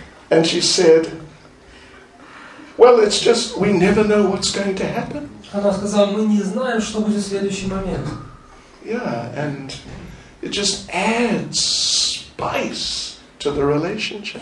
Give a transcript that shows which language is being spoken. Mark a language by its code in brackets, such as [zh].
[en] And she said, well, it's just, we never know what's going to happen. [ru] Она сказала, мы не знаем, что будет в следующий момент. [en] Yeah, and it just adds spice to the relationship.